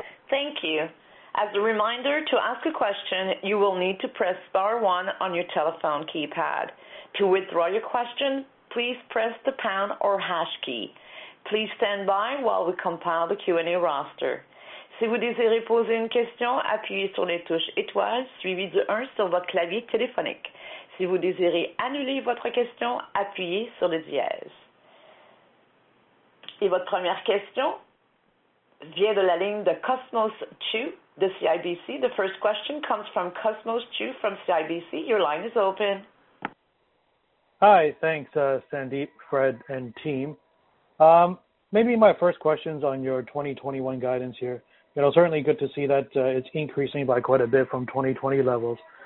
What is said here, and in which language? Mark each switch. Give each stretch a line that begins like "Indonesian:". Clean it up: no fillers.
English: Thank you. As a reminder, to ask a question, you will need to press star 1 on your telephone keypad. To withdraw your question, please press the pound or hash key. Please stand by while we compile the Q&A roster.
French: Si vous désirez poser une question, appuyez sur les touches étoiles suivies du 1 sur votre clavier téléphonique. Si vous désirez annuler votre question, appuyez sur le dièse. Et votre première question vient de la ligne de Cosmos Chu de CIBC.
English: The first question comes from Cosmos Chu from CIBC. Your line is open. Hi, thanks, Sandeep, Fred, and team. Maybe my first question is on your 2021 guidance here. Certainly good to see that it's increasing by quite a bit from 2020 levels.